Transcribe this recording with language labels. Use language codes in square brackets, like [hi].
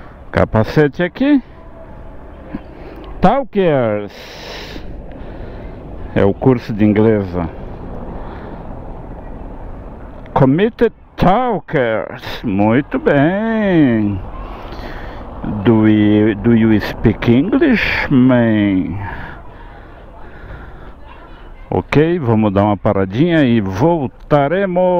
[pt] Capacete aqui, Talkers, é o curso de inglês, Committed Talkers, muito bem. [en] Do you speak English, man? [pt] Ok, vamos dar uma paradinha e voltaremos.